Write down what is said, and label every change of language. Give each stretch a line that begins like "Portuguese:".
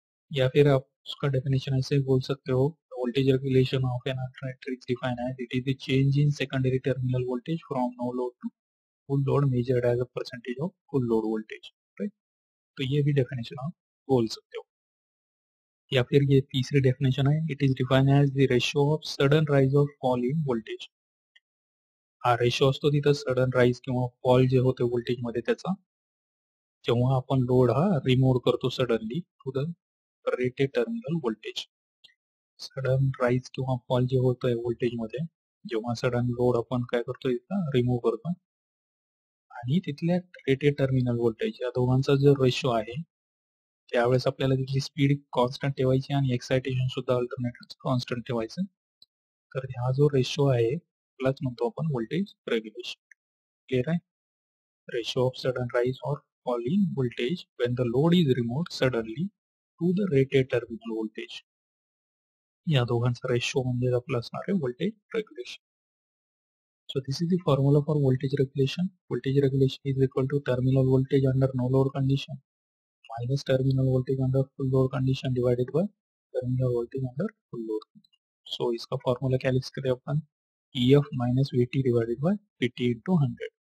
Hindi: या फिर आप उसका डेफिनेशन ऐसे बोल सकते हो,
English: Voltage regulation of an alternator is defined as it is the change in secondary terminal voltage from no load to full load measured as a percentage of full load voltage, right.
Hindi: तो ये भी definition आप बोल सकते हो। या फिर ये तीसरी डेफिनेशन है,
English: It is defined as the ratio of sudden rise और fall in voltage.
Marathi: हा रेशियोज तो तिथे सडन राइज किंवा फॉल जे होते वोल्टेज मध्ये त्याचा, जेव्हा आपण लोड हा रिमूव करतो
English: suddenly to the rated terminal voltage,
Marathi: sudden rise किंवा फॉल जे होतो वोल्टेज मध्ये जेव्हा सडन लोड आपण काय करतो इथं रिमूव्ह करतो, आणि तिथल्या रेटेड टर्मिनल वोल्टेज या दोघांचा जो रेशो आहे त्यावेळेस आपल्याला तिथली स्पीड कॉन्स्टंट ठेवायची आणि एक्साइटेशन सुद्धा अल्टरनेटरचं कॉन्स्टंट ठेवायचं, तर हा जो रेशो आहे त्यालाच म्हणतो आपण वोल्टेज रेग्युलेशन, क्लिअर आहे।
English: ratio of sudden rise or fall in voltage when the load is removed suddenly to the rated terminal voltage,
Marathi: या दोघांचा रेशो म्हणजे आपलं असणार आहे
English: Voltage regulation. So this is the formula for voltage regulation, voltage regulation is equal to terminal voltage under no load condition minus terminal voltage under full load condition divided by terminal voltage under full load.
Hindi: सो इसका formula क्या लिख सकते हैं अपन, E F minus we T divided by we T into 100।